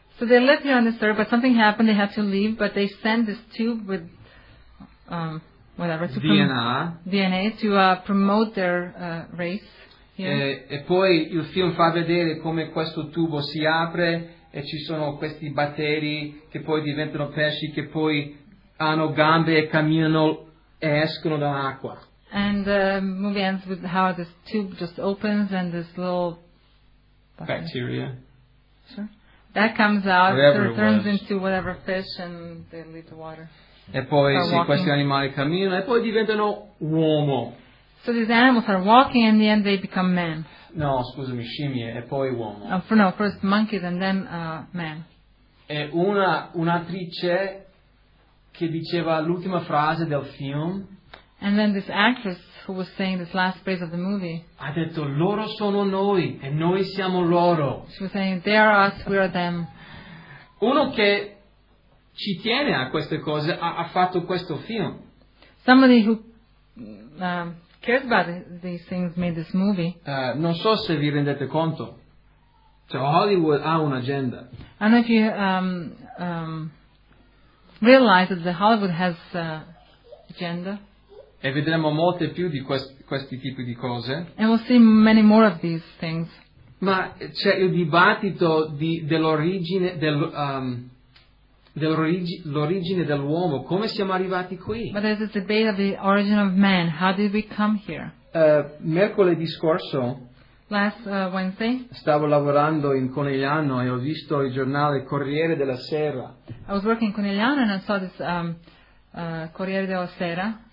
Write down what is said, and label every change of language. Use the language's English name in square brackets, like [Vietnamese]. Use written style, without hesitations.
[English] So they lived here on this Earth, but something happened, they had to leave, but they sent this tube with DNA to promote their race here. [Italian] E poi il film fa vedere come questo tubo si apre e ci sono questi batteri che poi diventano pesci che poi hanno gambe e camminano e escono dall'acqua. [English] And the movie ends with how this tube just opens and this little bacteria. Sure. That comes out, turns into whatever fish and they leave the water. [Italian] E poi sì, questi animali camminano e poi diventano uomo. [English] So these animals are walking and in the end they become man. [Italian] No, scusami, scimmie e poi uomo. [English] First monkeys and then man. [Italian] E una un'attrice che diceva l'ultima frase del film. [English] And then this actress who was saying this last phrase of the movie. [Italian] Ha detto loro sono noi e noi siamo loro. [English] She was saying they are us, we are them. [Italian] Uno che ci tiene a queste cose, ha fatto questo film. [English] Somebody who cares about these things made this movie. [Italian] Non so se vi rendete conto. Cioè, Hollywood ha un'agenda. [English] I don't know if you realize that the Hollywood has agenda. [Italian] E vedremo molte più di questi tipi di cose. [English] And we'll see many more of these things. [Italian] Ma c'è il dibattito dell'origine, dell'origine dell'uomo, come siamo arrivati qui? [English] But there's a debate of the origin of man. How did we come here? [Italian] Mercoledì scorso, [English] last Wednesday, [Italian] stavo lavorando in Conegliano e ho visto il giornale Corriere della Sera. [English] I was working in Conegliano and I saw this Corriere della Sera.